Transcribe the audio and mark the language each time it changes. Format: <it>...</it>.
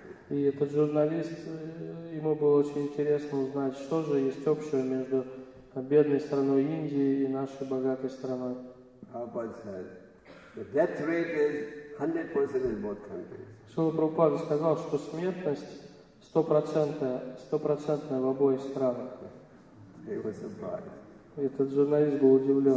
<ru>И этот журналист, ему было очень интересно узнать, что же есть общего между бедной страной Индии и нашей богатой страной.</ru> <en>Prabhupada said, the death rate is 100% in both countries.</en> <ru>Шрила Прабхупада сказал, что смертность 100% в обоих странах.</ru> <en>He was surprised.</en> <ru>Этот журналист был удивлен.</ru>